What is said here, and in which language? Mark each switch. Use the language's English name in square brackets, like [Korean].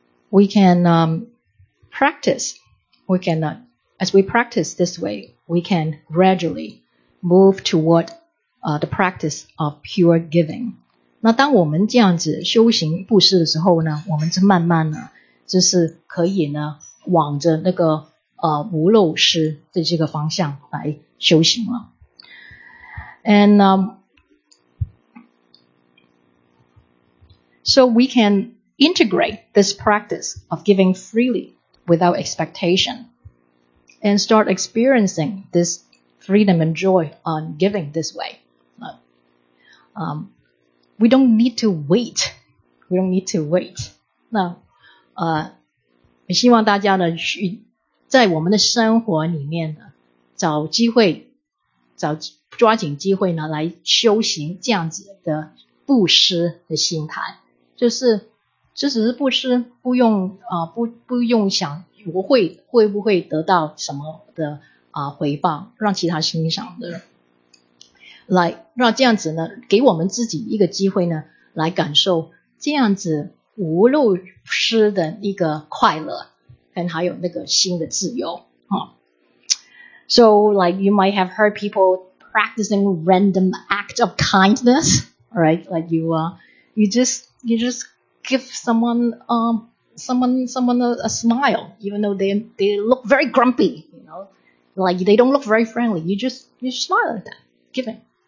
[English] We can practice, as we practice this way, we can gradually move toward the practice of pure giving. [Chinese] 那当我们这样子修行布施的时候呢，我们就慢慢呢，就是可以呢，往着那个无漏施的这个方向来修行了。 [English] And so we can integrate this practice of giving freely without expectation, and start experiencing this freedom and joy on giving this way. We don't need to wait. We don't need to wait. [Chinese] 那也希望大家呢去在我们的生活里面呢找机会，找抓紧机会呢来修行这样子的布施的心态，就是只是布施，不用不用想我会不会得到什么的回报，让其他欣赏的人。来让这样子呢给我们自己一个机会呢来感受这样子无漏施的一个快乐跟还有那个心的自由。 [English] So like you might have heard people practicing random act of kindness, right? Like you just give someone a smile even though they look very grumpy, you know, like they don't look very friendly, you just smile at them, giving.